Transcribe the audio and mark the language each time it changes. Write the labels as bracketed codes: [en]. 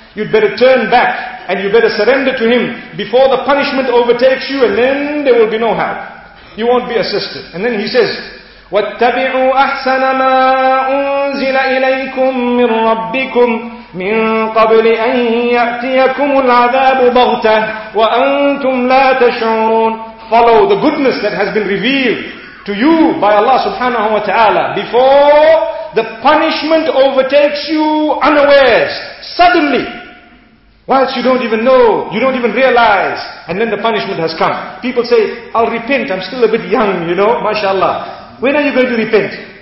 [en] You'd better turn back and you better surrender to Him before the punishment overtakes you, and then there will be no help. You won't be assisted. And then He says, [ar] وَاتَّبِعُوا أَحْسَنَ مَا أُنزِلَ إِلَيْكُمْ مِنْ رَبِّكُمْ مِنْ قَبْلِ أَنْ يَأْتِيَكُمُ الْعَذَابُ بَغْتَةً وَأَنْتُمْ لَا تَشْعُرُونَ. [en] Follow the goodness that has been revealed to you by Allah subhanahu wa ta'ala before the punishment overtakes you unawares, suddenly, whilst you don't even know, you don't even realize, and then the punishment has come. People say, I'll repent, I'm still a bit young, you know, mashallah. When are you going to repent?